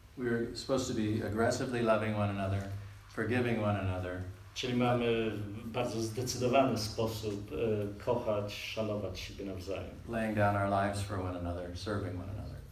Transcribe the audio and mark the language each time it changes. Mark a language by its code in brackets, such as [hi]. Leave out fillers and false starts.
[en] We're supposed to be aggressively loving one another, forgiving one another, [pl] Czyli mamy bardzo zdecydowany sposób kochać, szanować siebie nawzajem. [en] Laying down our lives for one another, serving one another.